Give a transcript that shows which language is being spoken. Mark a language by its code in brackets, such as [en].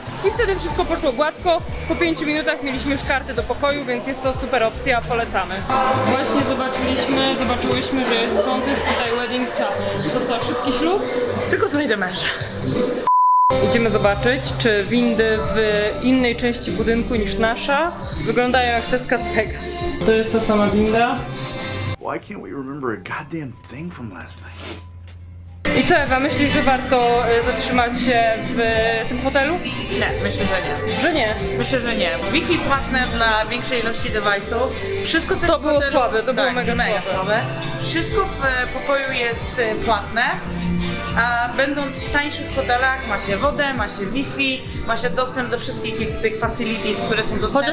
[pl] I wtedy wszystko poszło gładko, po 5 minutach mieliśmy już kartę do pokoju, więc jest to super opcja, polecamy. Właśnie zobaczyłyśmy, że są też tutaj wedding chapel. To co, szybki ślub? Tylko znajdę męża. Idziemy zobaczyć, czy windy w innej części budynku niż nasza wyglądają jak te z Cats Vegas. To jest ta sama winda. [en] Why can't we remember a goddamn thing from last night? [pl] I co, Ewa, myślisz, że warto zatrzymać się w tym hotelu? Nie, myślę, że nie. Że nie? Myślę, że nie. Wi-Fi płatne dla większej ilości device'ów. Wszystko, co to było hotelu... słabe, to było mega słabe. Wszystko w pokoju jest płatne. A będąc w tańszych hotelach, ma się wodę, ma się Wi-Fi, ma się dostęp do wszystkich tych facilities, które są dostępne.